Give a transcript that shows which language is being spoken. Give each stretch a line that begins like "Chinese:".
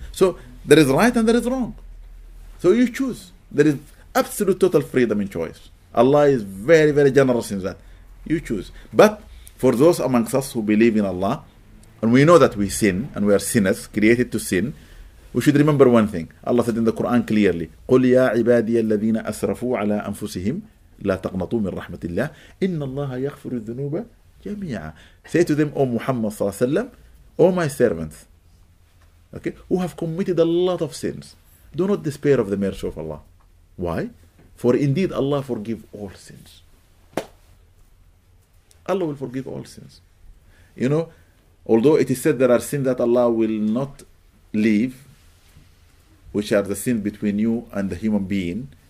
English: So there is right and there is wrong. So you choose. There is absolute total freedom in choice. Allah is very, very generous in that. You choose. But for those amongst us who believe in Allah, and we know that we sin, and we are sinners, created to sin, we should remember one thing.
Arabic: Allah said in the Quran clearly, قُلْ يَا عِبَادِيَ الَّذِينَ أَسْرَفُوا عَلَىٰ أَنفُسِهِمْ لَا تَقْنَطُوا مِنْ رَحْمَةِ اللَّهِ إِنَّ اللَّهَ يَغْفِرُ الذُّنُوبَ جَمِيعًا.
English: Say to them, O Muhammad sallallahu alaihi wasallam, O my servants, who have committed a lot of sins, do not despair of the mercy of Allah. Why? For indeed Allah forgive all sins. Allah will forgive all sins. You know, although it is said there are sins that Allah will not leave, which are the sins between you and the human being,